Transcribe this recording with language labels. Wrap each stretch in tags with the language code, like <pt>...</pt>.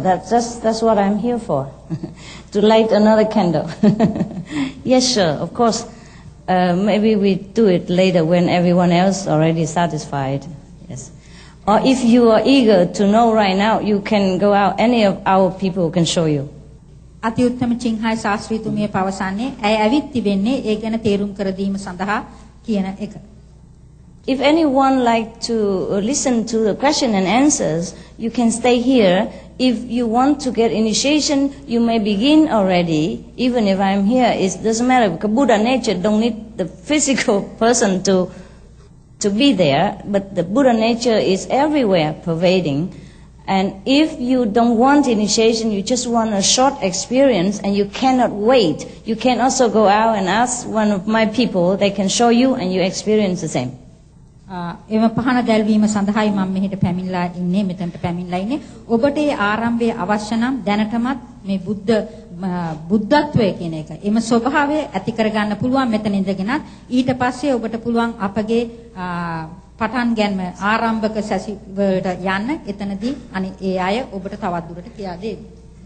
<en>That's what I'm here for, to light another candle. Yes, sure, of course. Maybe we do it later when everyone else already satisfied. Yes. Or if you are eager to know right now, you can go out. Any of our people can show you.</en> <si>අති උත්තම චින්හයි ශාස්ත්‍රීතුමිය පවසන්නේ ඇය ඇවිත් තිබෙන්නේ ඒ ගැන තේරුම් කර දීම සඳහා කියන එක.</si> <en>If anyone like to listen to the question and answers, you can stay here. If you want to get initiation, you may begin already. Even if I'm here, it doesn't matter. Because Buddha nature don't need the physical person to be there. But the Buddha nature is everywhere, pervading. And if you don't want initiation, you just want a short experience, and you cannot wait, you can also go out and ask one of my people. They can show you, and you experience the same.</en> <si>එම පහන දැල්වීම සඳහායි මම මෙහෙට පැමිණලා ඉන්නේ මෙතනට පැමිණලා ඉන්නේ ඔබට ඒ ආරම්භයේ අවශ්‍ය නම් දැනටමත් මේ බුද්ධත්වය කියන එක එම ස්වභාවය ඇති කරගන්න පුළුවන් මෙතන ඉඳගෙනත් ඊට පස්සේ ඔබට පුළුවන් අපගේ පටන් ගැන්ම ආරම්භක සැසි වලට යන්න එතනදී අනේ ඒ අය ඔබට තවත් දුරට කියා දෙයි</si>